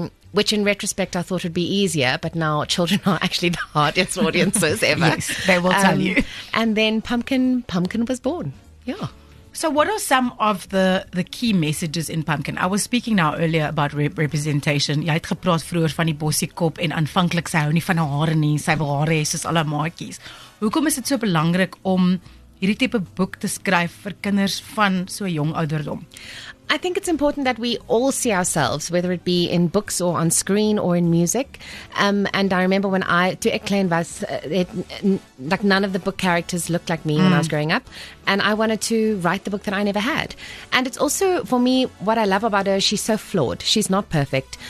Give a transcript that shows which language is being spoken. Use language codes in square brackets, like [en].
[en] Which in retrospect I thought would be easier, but now children are actually the hardest audiences ever. Yes, they will tell you. And then Pumpkin was born. Yeah. So what are some of the key messages in Pumpkin? I was speaking now earlier about representation. [af] Jy het gepraat vroeger van die bossie kop en aanvanklik sy hou nie van haar nie. Sy wil haar hê soos alle maatjies. Hoekom is dit so belangrik om hierdie tipe boek te skryf vir kinders van so jong ouderdom? [en] I think it's important that we all see ourselves, whether it be in books or on screen or in music. And I remember when I, [af] to Eklein was, [en] like none of the book characters looked like me when I was growing up. And I wanted to write the book that I never had. And it's also, for me, what I love about her, she's so flawed. She's not perfect.